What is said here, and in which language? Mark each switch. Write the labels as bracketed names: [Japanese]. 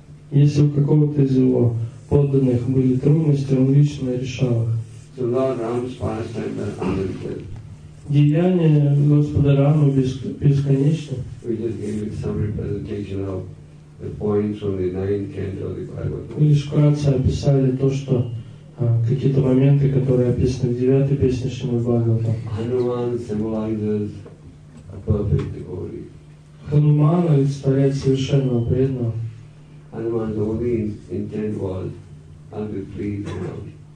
[Russian] Если у какого-то из его подданных были трудности, он лично решал их. [English] So Lord Ram's pastime. [Russian] Деяния Господа Рамы бесконечны. [English] We just gave you some representation of the points from the ninth canto of the Bhagavad [Russian] Gita. Мы лишь вкратце описали то, что какие-то моменты, которые описаны в девятой песне Шримад Бхагаватам. [English] Hanuman symbolizes a perfect devotee. [Russian] Хануман олицетворяет совершенного преданного. [English] Hanuman's only intent was to please him.